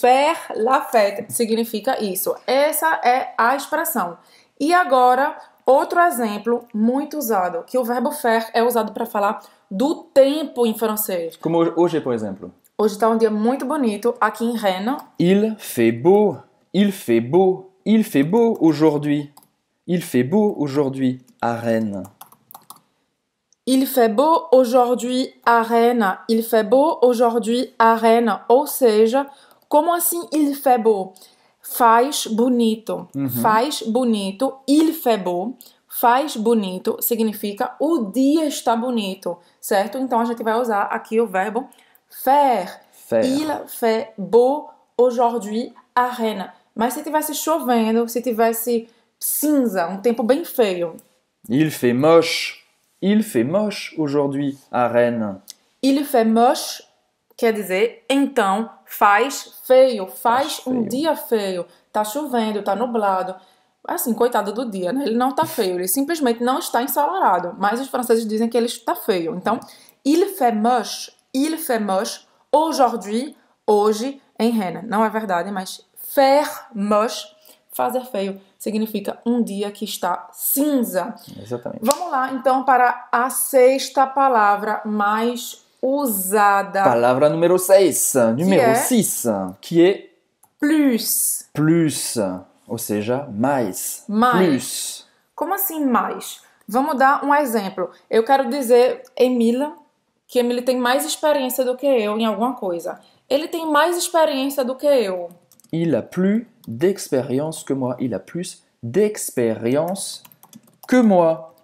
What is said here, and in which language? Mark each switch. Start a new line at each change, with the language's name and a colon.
French: Faire la fête
Portuguese: significa isso. Essa é a expressão. E agora, outro exemplo muito usado, que o verbo faire é usado para falar do tempo em francês. Como hoje, por exemplo. Hoje está um dia muito bonito aqui em Rennes.
French: Il fait beau. Il fait beau. Il fait beau aujourd'hui. Il fait beau aujourd'hui à Rennes. Il fait beau aujourd'hui à Rennes. Il fait beau aujourd'hui à Rennes.
Portuguese: Ou seja, como assim
French: il fait beau?
Portuguese: Faz bonito. Uhum. Faz bonito.
French: Il fait beau.
Portuguese: Faz bonito significa o dia está bonito, certo? Então a gente vai usar aqui o verbo faire.
French: Faire. Il fait beau aujourd'hui à Rennes.
Portuguese: Mas se tivesse chovendo, se tivesse cinza, um tempo bem feio.
French: Il fait moche. Il fait moche aujourd'hui à Rennes. Il fait moche,
Portuguese: quer dizer, então, faz feio, faz feio. Um dia feio. Tá chovendo, tá nublado. Assim, coitado do dia, né? Ele não tá feio, ele simplesmente não está ensolarado. Mas os franceses dizem que ele está feio. Então,
French: il fait moche aujourd'hui,
Portuguese: hoje, em Rennes. Não é verdade, mas
French: faire moche,
Portuguese: fazer feio. Significa um dia que está cinza. Exatamente. Vamos lá, então, para a sexta palavra mais usada. Palavra número 6. Número 6. Que é...
French: plus.
Portuguese: Plus. Ou seja, mais. Mais.
French: Plus.
Portuguese: Como assim mais? Vamos dar um exemplo. Eu quero dizer, Emile, que Emile tem mais experiência do que eu em alguma coisa. Ele tem mais experiência do que eu.
French: Il a plus d'expérience que moi. Il a plus d'expérience que moi.